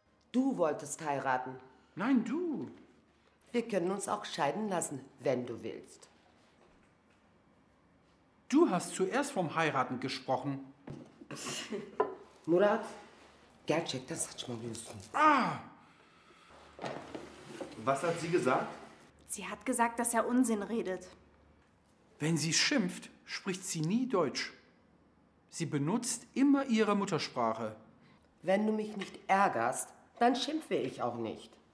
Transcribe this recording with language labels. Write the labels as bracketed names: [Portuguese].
[German] Du wolltest heiraten. Nein, du. Wir können uns auch scheiden lassen, wenn du willst. Du hast zuerst vom Heiraten gesprochen. [Turkish] Murat, gerçek de saçmalıyorsun. Ah! [German] Was hat sie gesagt? Sie hat gesagt, dass er Unsinn redet. Wenn sie schimpft, spricht sie nie Deutsch. Sie benutzt immer ihre Muttersprache. Wenn du mich nicht ärgerst, dann schimpfe ich auch nicht.